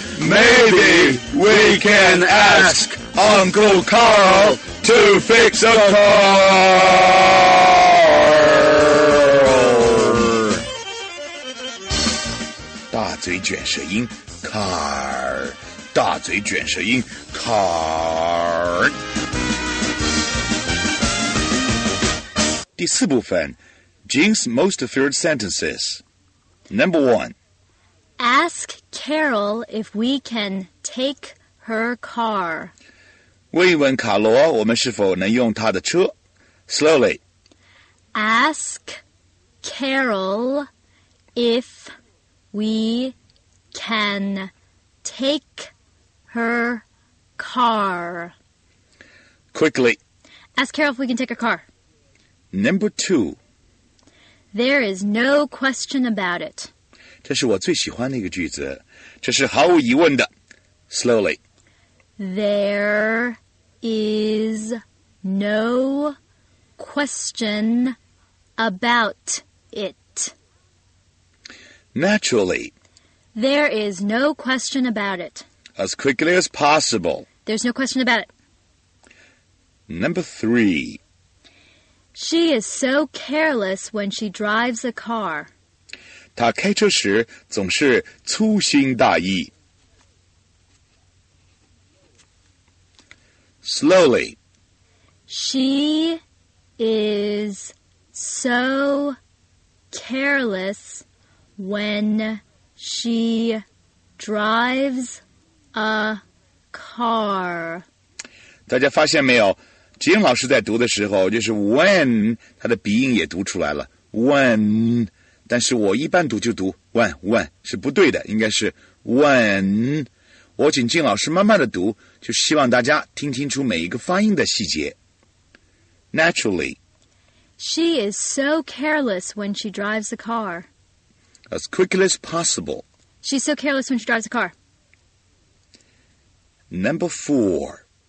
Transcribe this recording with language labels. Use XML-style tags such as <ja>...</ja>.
<en>Maybe we can ask Uncle Carl to fix a car.</en> <zh>大嘴卷舌音 car， 大嘴卷舌音 car。第四部分</zh> <en>，Jean's most feared sentences. Number one. Ask Carol if we can take her car.</en> <zh>问一问卡罗，我们是否能用她的车。</zh> <en>Slowly. Ask Carol if we can take her car. Quickly. Ask Carol if we can take her car. Number two. There is no question about it.</en> <zh>这是我最喜欢的一个句子，这是毫无疑问的。</zh> <en>Slowly. There is no question about it. Naturally. There is no question about it. As quickly as possible. There's no question about it. Number three. She is so careless when she drives a car.</en> <zh>她开车时总是粗心大意。</zh> <en>Slowly. She is so careless when she drives a car.</en> <zh>大家发现没有？吉英老师在读的时候就是 when， 他的鼻音也读出来了 when， 但是我一般读就读 when， when 是不对的，应该是 when。我请静老师慢慢的读，就希望大家听清楚每一个发音的细节。</zh> <en>Naturally. She is so careless when she drives a car. As quickly as possible. She's so careless when she drives a car. Number four</en>